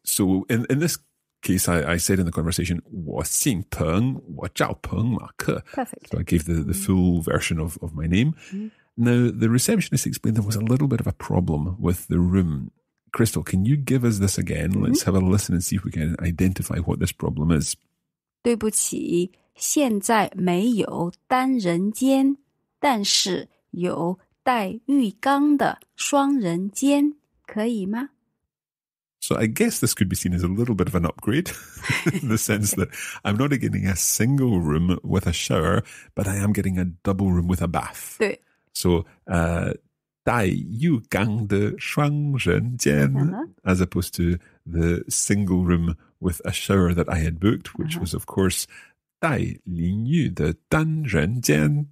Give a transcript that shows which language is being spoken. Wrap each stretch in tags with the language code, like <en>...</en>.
<en>So in this case, I said in the conversation,</en> <zh>我姓彭,我叫彭马克.</zh> <en>Perfect. So I gave the full version of my name. Mm-hmm. Now, the receptionist explained there was a little bit of a problem with the room. Crystal, can you give us this again? Mm-hmm. Let's have a listen and see if we can identify what this problem is.</en> <zh>对不起,现在没有单人间,但是有带浴缸的双人间,可以吗?</zh> <en>So I guess this could be seen as a little bit of an upgrade in the sense that I'm not getting a single room with a shower, but I am getting a double room with a bath.</en> <zh>对。</zh> <en>So,</en> <zh>带浴缸的双人间,</zh> <en>as opposed to the single room with a shower that I had booked, which was, of course,</en> <zh>带淋浴的单人间。</zh>